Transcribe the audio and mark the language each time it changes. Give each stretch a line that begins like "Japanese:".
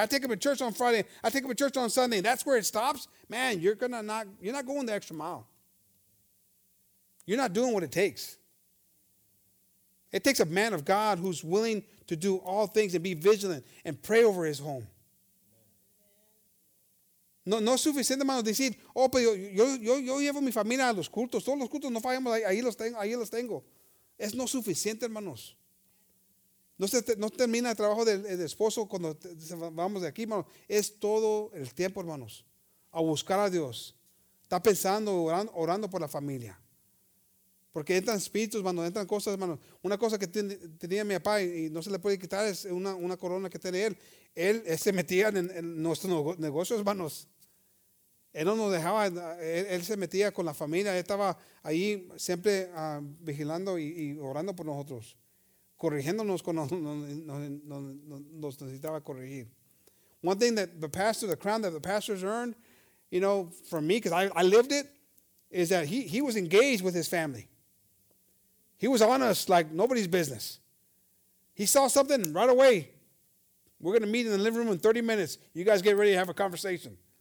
English: I take up a church on Friday. I take up a church on Sunday. That's where it stops. Man, you're not going the extra mile. You're not doing what it takes. It takes a man of God who's willing to do all things and be vigilant and pray over his home.
Spanish: No es suficiente, hermanos, decir, oh, pero yo llevo mi familia a los cultos, todos los cultos no fallamos, ahí los tengo. Es no suficiente, hermanos. No termina el trabajo del esposo cuando vamos de aquí, hermanos. Es todo el tiempo, hermanos, a buscar a Dios. Está pensando, orando por la familia. Porque entran espíritus, mano, entran cosas, mano. Una cosa que tenía mi papá y no se le puede quitar es una corona que tiene él. Él se metía en nuestros negocios, manos. Él no nos dejaba, él se metía con la familia. Él estaba ahí siempre vigilando y orando por nosotros, corrigiéndonos cuando nos necesitaba corregir.
English: One thing that the pastor, the crown that the pastors earned, you know, from me, because I lived it, is that he was engaged with his family. He was honest like nobody's business. He saw something right away. We're going to meet in the living room in 30 minutes. You guys get ready to have a conversation.